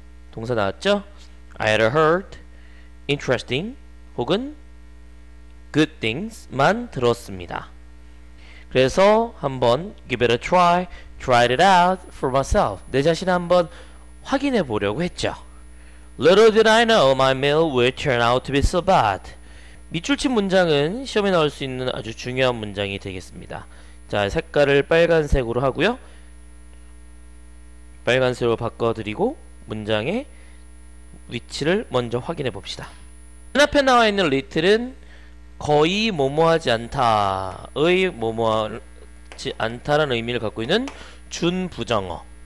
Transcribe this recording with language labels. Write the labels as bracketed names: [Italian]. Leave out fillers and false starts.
[Korean] 동사 나왔죠? [English] I had heard interesting 혹은 good things만 들었습니다. [Korean] 그래서 한번 [English] give it a try, tried it out for myself. [Korean] 내 자신 한번 확인해 보려고 했죠. [English] Little did I know my meal would turn out to be so bad. [Korean] 밑줄 친 문장은 시험에 나올 수 있는 아주 중요한 문장이 되겠습니다. 자, 색깔을 빨간색으로 하고요. 빨간색으로 바꿔드리고 문장의 위치를 먼저 확인해 봅시다. 맨 앞에 나와 있는 little은 거의 뭐뭐하지 않다의 뭐뭐하지 않다라는 의미를 갖고 있는 준부정어.